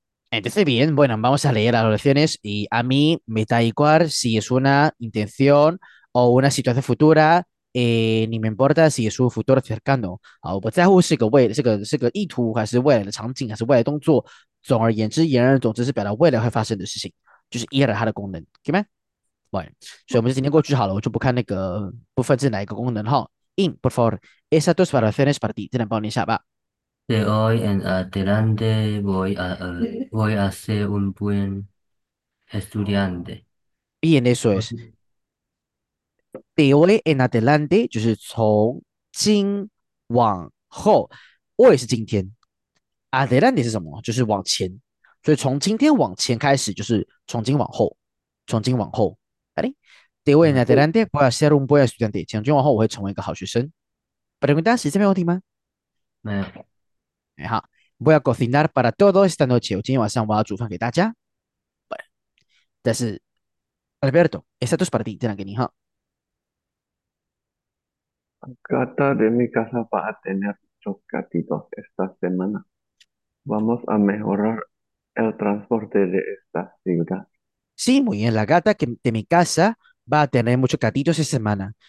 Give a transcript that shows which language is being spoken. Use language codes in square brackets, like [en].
[es] Entonces, bien, bueno, vamos a leer las oraciones y a mí me da igual si es una intención o una situación futura. ni me importa si es un futuro cercano. [zh] 好，我不在乎是个未，这个是个意图，还是未来的场景，还是未来动作。总而言之，言而总之是表达未来会发生的事情，就是 ear 它的功能，OK 吗？喂，所以我们就今天过去好了，我就不看那个部分是哪一个功能哈。 [es] In por favor, esas dos oraciones para ti， [zh] 真的帮你一下吧。 [es] De hoy en adelante voy a ser un buen estudiante. Bien, eso es. De hoy en adelante [zh] 就是从今往后，hoy 是今天，adelante 是什么？就是往前，所以从今天往前开始就是从今往后，从今往后。 [es] 哎，De hoy en adelante voy a ser un buen estudiante， [zh] 从今往后我会成为一个好学生。 Preguntas, 这边有问题吗？没有。哎，好， [es] Voy a cocinar para todos esta noche， [zh] 我今天晚上我要煮饭给大家。但是。 [es] Alberto, esto es para ti, Tranquini. Gata de mi casa va a tener muchos gatitos esta semana. Vamos a mejorar el transporte de esta ciudad. Sí, muy bien. La gata que de mi casa va a tener muchos gatitos esta semana.